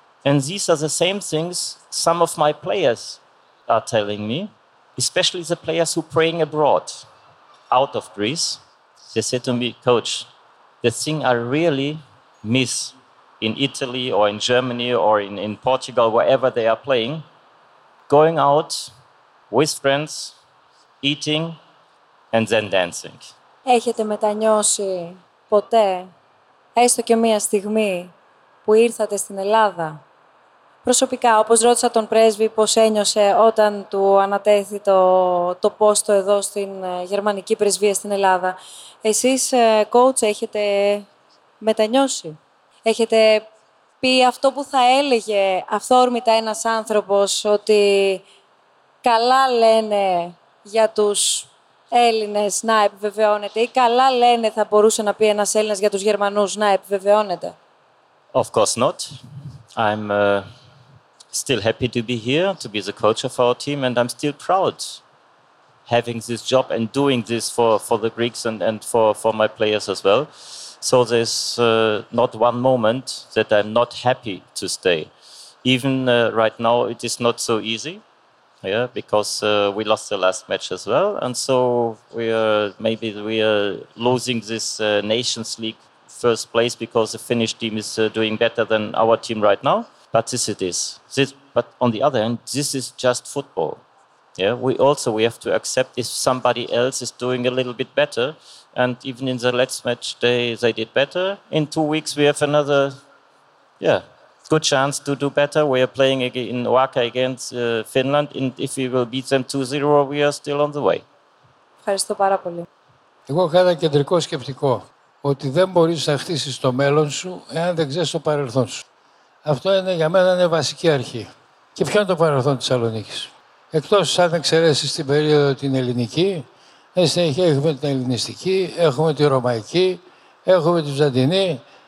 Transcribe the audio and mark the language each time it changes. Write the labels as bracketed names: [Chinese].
[English] And these are the same things some of my players are telling me, especially the players who are playing abroad, out of Greece. They said to me, Coach, the thing I really miss in Italy or in Germany or in Portugal, wherever they are playing, going out with friends, eating, and then dancing. [Greek] Έχετε μετανιώσει ποτέ, έστω και μία στιγμή, που ήρθατε στην Ελλάδα? Προσωπικά, όπως ρώτησα τον πρέσβη πώς ένιωσε όταν του ανατέθη το πόστο εδώ στην γερμανική πρεσβεία στην Ελλάδα. Εσείς, coach, έχετε μετανιώσει? Έχετε πει αυτό που θα έλεγε αυθόρμητα ένας άνθρωπος, ότι καλά λένε για τους Έλληνες να επιβεβαιώνεται, ή καλά λένε, θα μπορούσε να πει ένας Έλληνας για τους Γερμανούς να επιβεβαιώνεται? [English] Of course not. I'm still happy to be here, to be the coach of our team, and I'm still proud having this job and doing this for the Greeks and for my players as well. So there's not one moment that I'm not happy to stay. Even right now, it is not so easy. Yeah, because we lost the last match as well, and so we are losing this Nations League first place because the Finnish team is doing better than our team right now. But this it is. But on the other hand, this is just football. Yeah, we have to accept if somebody else is doing a little bit better, and even in the last match they did better. In 2 weeks we have another, good chance to do better. We are playing in Oaka against Finland, and if we will beat them 2-0, we are still on the way. [Greek] Ευχαριστώ πάρα πολύ. Εγώ έχω ένα κεντρικό σκεπτικό, ότι δεν μπορείς να χτίσεις το μέλλον σου εάν δεν ξέρεις το παρελθόν σου. Αυτό είναι για μένα είναι βασική αρχή. Και ποιο είναι το παρελθόν της Θεσσαλονίκης? Εκτός αν εξαιρέσεις την περίοδο την ελληνική, συνέχεια έχουμε την ελληνιστική, έχουμε τη ρωμαϊκή, έχουμε τη βυζαντινή.